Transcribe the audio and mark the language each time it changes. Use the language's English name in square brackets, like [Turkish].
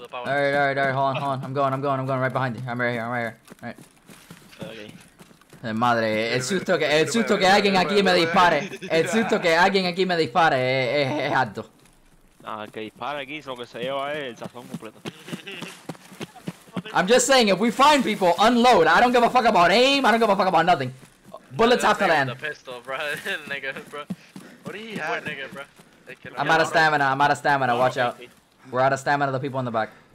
[English] Alright, hold on. I'm going right behind you. I'm right here. Alright. Okay. [Spanish] Madre, el susto que alguien aquí me dispare. El susto que alguien aquí me dispare es alto. Nah, el que dispare aquí, lo que se lleva es el sazón completo. [English] I'm just saying, if we find people, unload. I don't give a fuck about aim, I don't give a fuck about nothing. Bullets have to land. The pistol, bro. Nigga, bro. What do you have? What, nigga, bro? I'm out of stamina, I'm out of stamina, watch out. We're out of stamina, the people in the back.